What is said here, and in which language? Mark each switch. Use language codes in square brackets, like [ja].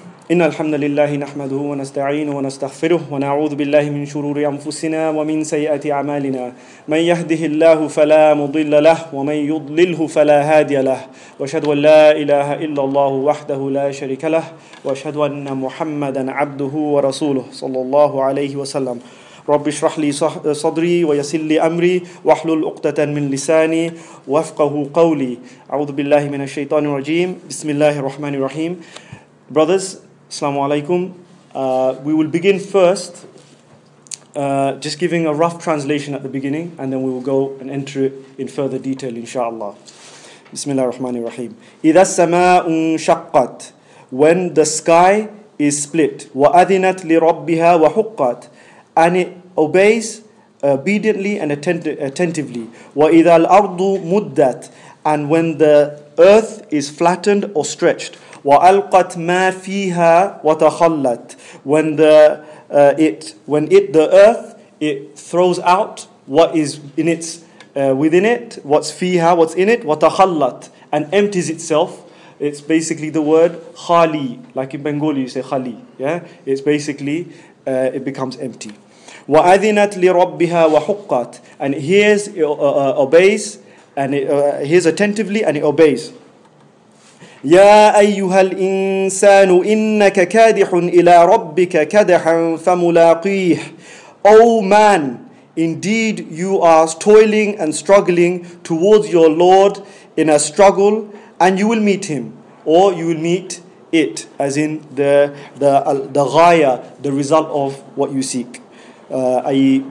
[ar] إن الحمد لله نحمده ونستعينه ونستغفره ونعوذ بالله من شرور أنفسنا ومن سيئات أعمالنا من يهده الله فلا مضل له ومن يضلله فلا هادي له وأشهد أن لا إله إلا الله وحده لا شريك له وأشهد أن محمدا عبده ورسوله صلى الله عليه وسلم رب اشرح لي صدري ويسر لي أمري واحلل عقدة من لساني وافقه قولي أعوذ بالله من الشيطان الرجيم بسم الله الرحمن الرحيم. [en] Brothers, assalamu alaikum. We will begin first, just giving a rough translation at the beginning, and then we will go and enter it in further detail, inshallah. [ar] Bismillah ar-Rahman ar-Rahim. إِذَا السَّمَاءُ انشَقَّتْ. [en] When the sky is split. [ar] وَأَذِنَتْ لِرَبِّهَا وَحُقَّتْ. [en] And it obeys obediently and attentively. [ar] وَإِذَا الْأَرْضُ مُدَّتْ. [en] And when the earth is flattened or stretched. [ar] وَأَلْقَتْ مَا فِيهَا وَتَخَلَّتْ. [en] When the earth throws out what is in its within it, what's فِيهَا, what's in it, وَتَخَلَّتْ, and empties itself. It's basically the word خَالِي, like in Bengali you say خَالِي, yeah? It's basically, it becomes empty. [ar] وَأَذِنَتْ لِرَبِّهَا وَحُقَّتْ. [en] And it hears, it obeys, and it hears attentively and it obeys. [ar] يا أيها الإنسان إنك كادح إلى ربك كدحا فملاقيه. [en] O man, indeed you are toiling and struggling towards your Lord in a struggle, and you will meet him, or you will meet it, as in the ghaya, the result of what you seek, i.e.